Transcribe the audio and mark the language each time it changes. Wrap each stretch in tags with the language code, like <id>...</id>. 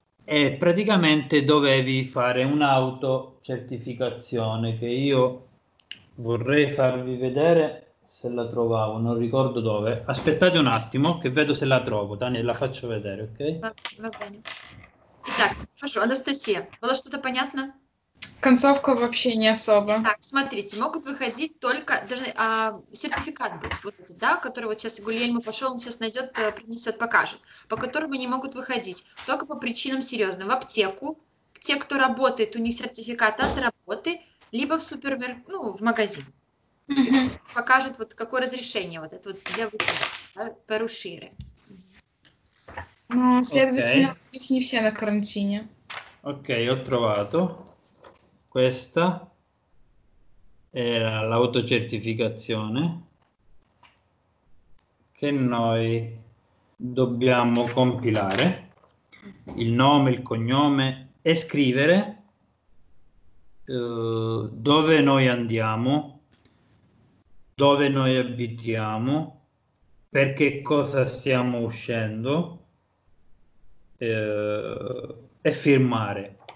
<it>E praticamente dovevi fare un'autocertificazione che io vorrei farvi vedere se la trovavo, non ricordo dove. Aspettate un attimo che vedo se la trovo, Daniela, la faccio vedere, ok? Va bene.</it> <ru>Итак, хорошо, Анастасия, было что-то понятно? Концовка вообще не особо. Итак, смотрите, могут выходить только должны, сертификат быть, вот этот, да, который вот сейчас Гульельмо пошел, он сейчас найдет, принесет, покажет, по которому не могут выходить, только по причинам серьезным, в аптеку, те, кто работает, у них сертификат от работы, либо в супермерк, ну, в магазин. Покажет вот какое разрешение вот это вот для выхода, да, перушире. Ну, следовательно, у них не все на карантине. Окей,</ru> <it>ho trovato. Questa era l'autocertificazione che noi dobbiamo compilare, il nome, il cognome, e scrivere dove noi andiamo, dove noi abitiamo, per che cosa stiamo uscendo, e firmare.</it>